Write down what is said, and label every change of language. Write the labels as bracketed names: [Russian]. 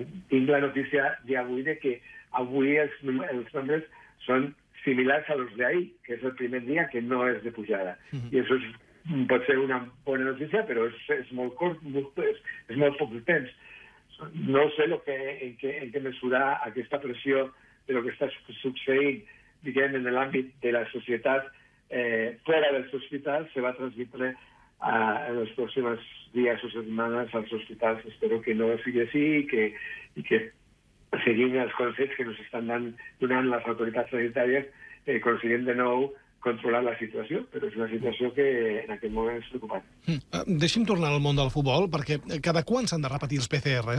[Catalan] Tinc la notícia d'avui que avui els nombres són similars [Spanish] a los de ahí, que es el primer día que no es de pujada. Uh-huh. Y eso es, puede ser una buena noticia, pero es muy corto, es muy poco tiempo. No sé lo que, en qué mesura esta presión de lo que está sucediendo, digamos, en el ámbito de la sociedad, fuera del hospital, se va a transmitir en los próximos días o semanas al hospital. Espero que no siga así y que [Catalan] seguint els consells que ens estan donant les autoritats sanitàries, aconseguint de nou controlar la situació, però és una situació que en aquest moment és preocupant. Deixi'm tornar al món del futbol, perquè cada quant s'han de repetir els PCR?